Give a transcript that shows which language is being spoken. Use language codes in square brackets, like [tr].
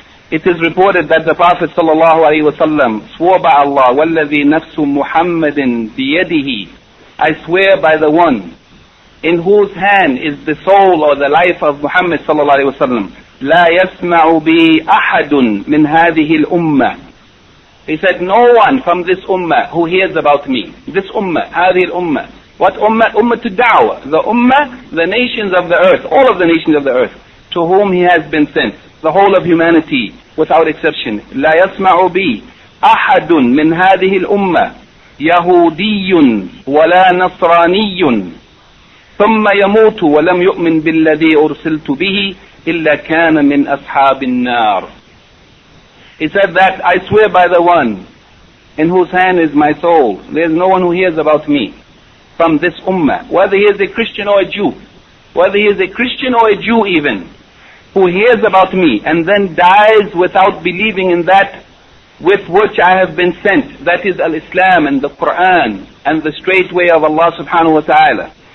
[en] It is reported that the Prophet sallallahu alaihi wasallam swore by Allah, [ar] وَالَّذِي نَفْسُ مُحَمَّدٍ بِيَدِهِ, [en] I swear by the one in whose hand is the soul or the life of Muhammad sallallahu alaihi wasallam, [ar] لَا يَسْمَعُ بِي أَحَدٌ مِنْ هَذِهِ الْأُمَّةِ. [en] He said, no one from this ummah who hears about me, this ummah, [ar] هذه الأمّة. [en] What ummah? Ummah to da'wah. The ummah, the nations of the earth, all of the nations of the earth, to whom he has been sent, the whole of humanity, without exception. [ar] لا يسمع بي أحد من هذه الأمة يهودي ولا نصراني ثم يموت ولم يؤمن بالذي أرسلت به إلا كان من أصحاب النار. [en] He said that, I swear by the one in whose hand is my soul, there is no one who hears about me from this ummah, whether he is a Christian or a Jew, whether he is a Christian or a Jew even, who hears about me and then dies without believing in that with which I have been sent, that is al-Islam and the Quran and the straight way of Allah subhanahu wa ta'ala.